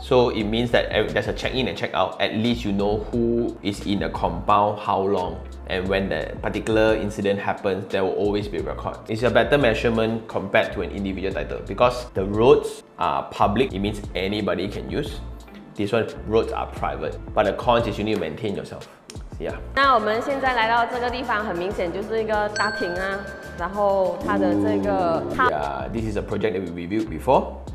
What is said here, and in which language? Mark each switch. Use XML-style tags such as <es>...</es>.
<en>So it means that there's a check-in and check-out. At least you know who is in the compound, how long, and when that particular incident happens, there will always be a record. It's a better measurement compared to an individual title because the roads are public, it means anybody can use. This one, roads are private. But the cons is you need to maintain yourself. Yeah.</en> <zh>那我们现在来到这个地方，很明显就是一个大厅啊。然后它的这个...</zh> <en>Yeah, this is a project that we reviewed before.</en>